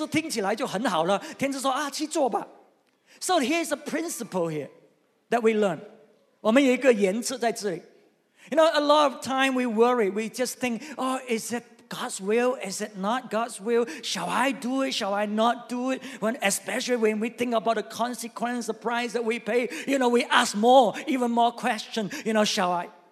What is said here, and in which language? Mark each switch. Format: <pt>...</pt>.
<zh>所以大卫呢就问这个先知，先知听起来就很好了，天知说啊去做吧。</zh> <en>So here's a principle here that we learn.</en> <zh>我们有一个原则在这里。</zh> <en>You know, a lot of time we worry. We just think, oh, is it God's will? Is it not God's will? Shall I do it? Shall I not do it? When, especially when we think about the consequence, the price that we pay, you know, we ask more, even more questions, you know, shall I?</en>